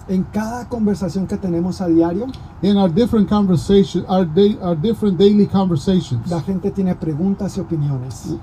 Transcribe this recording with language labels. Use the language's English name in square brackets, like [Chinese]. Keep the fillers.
[Spanish] en cada conversación que tenemos a diario. [English] In our different conversations, our, day, our different daily conversations. [Spanish] La gente tiene preguntas y opiniones.